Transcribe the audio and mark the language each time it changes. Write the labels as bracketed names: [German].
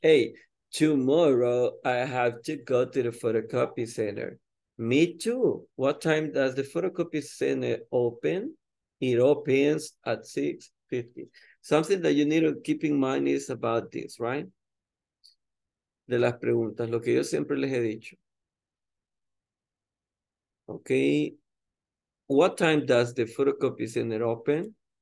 [English] Hey, tomorrow I have to go to the photocopy center. Me too. What time does the photocopy center open? It opens at 6:50. Something that you need to keep in mind is about this, right? [Spanish] De las preguntas, lo que yo siempre les he dicho. [English] Okay, what time does the photocopy center open?